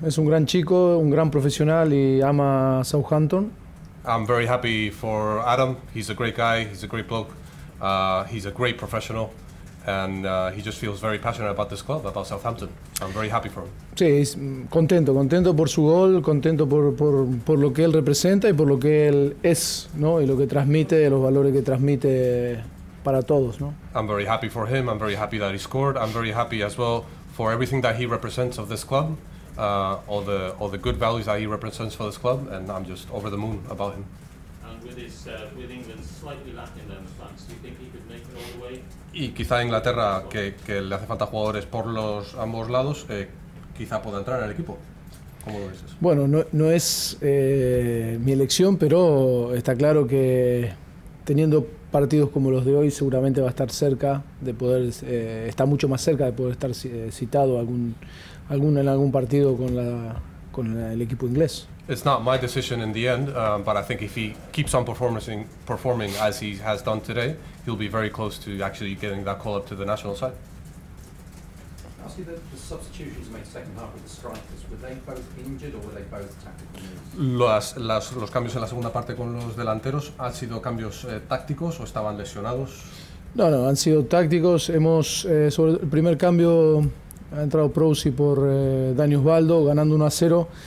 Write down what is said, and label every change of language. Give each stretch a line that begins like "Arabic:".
Spanish: Es un gran chico, un gran profesional y ama Southampton.
English: I'm very happy for Adam. He's a great guy. He's a great bloke. He's a great professional, and he just feels very passionate about this club, about Southampton. So I'm very happy for him.
Spanish: Sí, contento, contento por su gol, contento por lo que él representa y por lo que él es, ¿no? Y lo que transmite, los valores que transmite para todos, ¿no?
English: I'm very happy for him. I'm very happy that he scored. I'm very happy as well for everything that he represents of this club. All the good values that he represents for this club, and I'm just over the moon about him. And with his with England slightly lacking them flanks, do you think he could make it all the way?
Spanish: Y quizá Inglaterra, que le hace falta jugadores por los ambos lados, quizá pueda entrar en el equipo. ¿Cómo lo ves eso? Bueno, no es mi elección, pero está claro que teniendo partidos como los de hoy, seguramente va a estar cerca de poder, está mucho más cerca de poder estar citado en algún partido con el equipo inglés.
English: It's not my decision in the end, but I think if he keeps on performing as he has done today, he'll be very close to actually getting that call up to the national side. Ask you the substitutions made second half with the strikers, were they both injured or were they both tactical moves?
Spanish: Los cambios en la segunda parte con los delanteros, ¿han sido cambios tácticos o estaban lesionados? No, no, han sido tácticos. Sobre el primer cambio ha entrado Prousi por Dani Osvaldo, ganando 1-0.